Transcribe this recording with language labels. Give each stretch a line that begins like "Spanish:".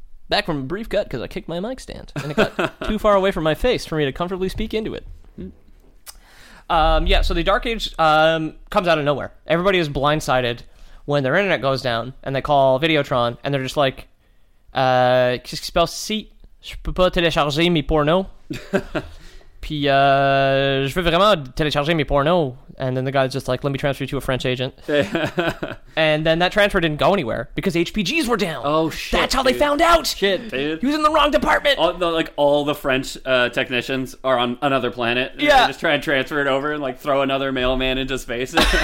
English: Back from a brief cut because I kicked my mic stand. And it got too far away from my face for me to comfortably speak into it. Yeah, so the Dark Age comes out of nowhere. Everybody is blindsided when their internet goes down and they call Videotron and they're just like, just spell seat.
French: Je peux pas télécharger mes pornos. Puis, je veux vraiment télécharger mes pornos.
English: And then the guy's just like, let me transfer you to a French agent. And then that transfer didn't go anywhere because HPGs were down. Oh, shit. That's how dude. They found out. Shit, dude. He was in the wrong department. All the French technicians are on another planet. Yeah. They just try and transfer it over and like throw another mailman into space.